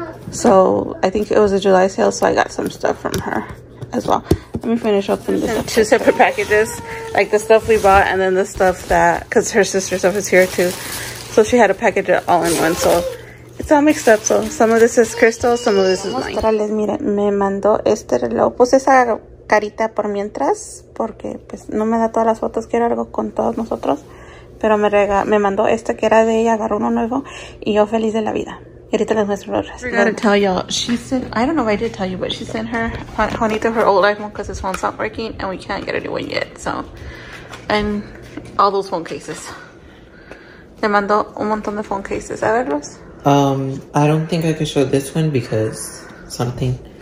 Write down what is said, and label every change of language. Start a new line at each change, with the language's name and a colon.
English: So I think it was a July sale, so I got some stuff from her as well. Let me finish up in this. Two separate packages, like the stuff we bought and then the stuff that, because her sister's stuff is here too. So she had a package all in one. So it's all mixed up. So some of this is Crystal, some of this is mine.
Spanish: Mostrarles, mira, me mandó este reloj. Puse esa carita por mientras, porque pues no me da todas las fotos. Quiero algo con todos nosotros. Pero me mandó esta que era de ella, agarró uno nuevo y yo feliz de la vida. Y ahorita les muestro los restos.
English: I forgot to tell y'all, she sent, I don't know if I did tell you, but she sent her Juanito her old iPhone because his phone's not working and we can't get a new one yet, so.
Spanish: And all those phone cases. Le mandó un montón de phone cases, a verlos.
English: I don't think I could show this one because something.